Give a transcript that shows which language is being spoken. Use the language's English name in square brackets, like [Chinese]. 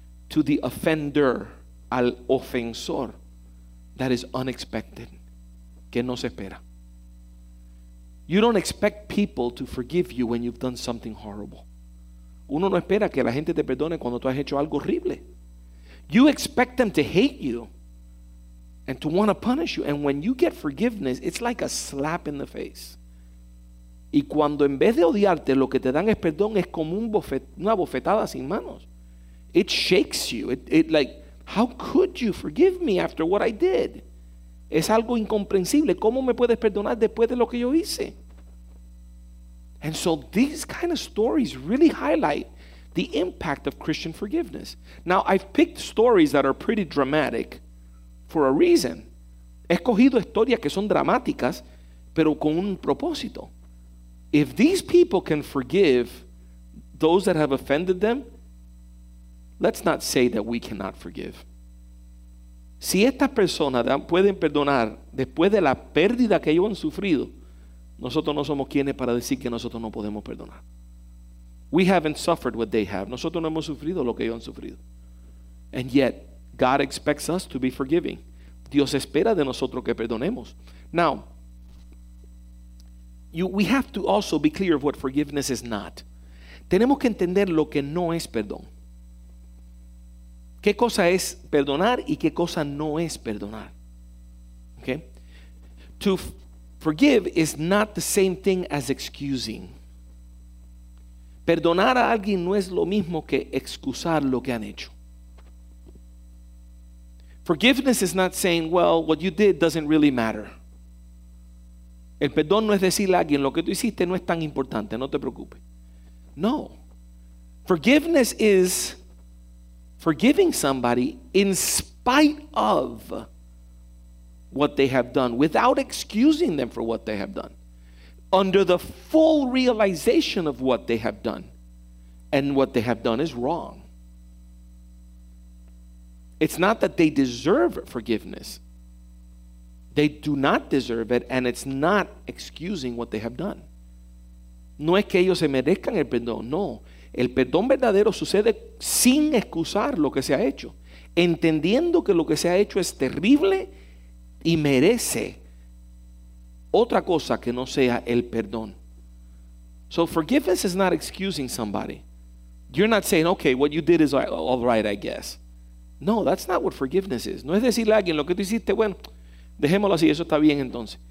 [English] To the offender, [Spanish] al ofensor, [English] that is unexpected. [Spanish] Que no se espera. [English] You don't expect people to forgive you when you've done something horrible. [Spanish] Uno no espera que la gente te perdone cuando tú has hecho algo horrible. [English] You expect them to hate you and to want to punish you. And when you get forgiveness, it's like a slap in the face. [Spanish] Y cuando en vez de odiarte, lo que te dan es perdón, es como una bofetada sin manos. [English] It shakes you. It like, how could you forgive me after what I did? [Spanish] Es algo incomprensible. ¿Cómo me puedes perdonar después de lo que yo hice? [English] And so these kind of stories really highlight the impact of Christian forgiveness. Now, I've picked stories that are pretty dramatic for a reason. [Spanish] He escogido historias que son dramáticas, pero con un propósito. [English] If these people can forgive those that have offended them, let's not say that we cannot forgive. [Spanish] Si estas personas pueden perdonar después de la pérdida que ellos han sufrido, nosotros no somos quienes para decir que nosotros no podemos perdonar. [English] We haven't suffered what they have. [Spanish] Nosotros no hemos sufrido lo que ellos han sufrido. [English] And yet, God expects us to be forgiving. [Spanish] Dios espera de nosotros que perdonemos. [English] Now, we have to also be clear of what forgiveness is not. [Spanish] Tenemos que entender lo que no es perdón. ¿Qué cosa es perdonar y qué cosa no es perdonar? [English] Okay? To forgive is not the same thing as excusing. [Spanish] Perdonar a alguien no es lo mismo que excusar lo que han hecho. [English] Forgiveness is not saying, well, what you did doesn't really matter. [Spanish] El perdón no es decirle a alguien, lo que tú hiciste no es tan importante, no te preocupes. [English] No. Forgiveness is forgiving somebody in spite of what they have done, without excusing them for what they have done, under the full realization of what they have done, and what they have done is wrong. It's not that they deserve forgiveness. They do not deserve it, and it's not excusing what they have done. [Spanish] No es que ellos se merezcan el perdón, no. El perdón verdadero sucede sin excusar lo que se ha hecho, entendiendo que lo que se ha hecho es terrible y merece otra cosa que no sea el perdón. [English] So forgiveness is not excusing somebody. You're not saying, okay, what you did is all right, I guess. No, that's not what forgiveness is. [Spanish] No es decirle a alguien, lo que tú hiciste, bueno, dejémoslo así, eso está bien entonces.